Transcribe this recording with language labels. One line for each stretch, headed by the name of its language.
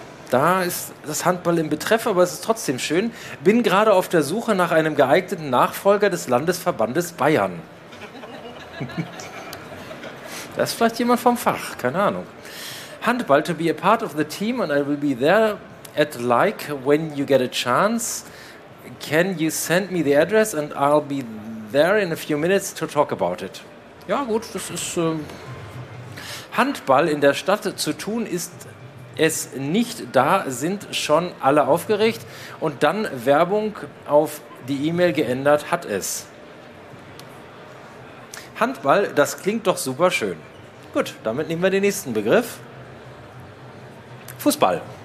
German: Da ist das Handball im Betreff, aber es ist trotzdem schön. Bin gerade auf der Suche nach einem geeigneten Nachfolger des Landesverbandes Bayern. Da ist vielleicht jemand vom Fach, keine Ahnung.
English: Handball, to be a part of the team and I will be there at like when you get a chance. Can you send me the address and I'll be there in a few minutes to talk about it.
German: Ja gut, das ist... Handball in der Stadt zu tun ist... Es nicht da, sind schon alle aufgeregt und dann Werbung auf die E-Mail geändert hat es. Handball, das klingt doch super schön. Gut, damit nehmen wir den nächsten Begriff. Fußball.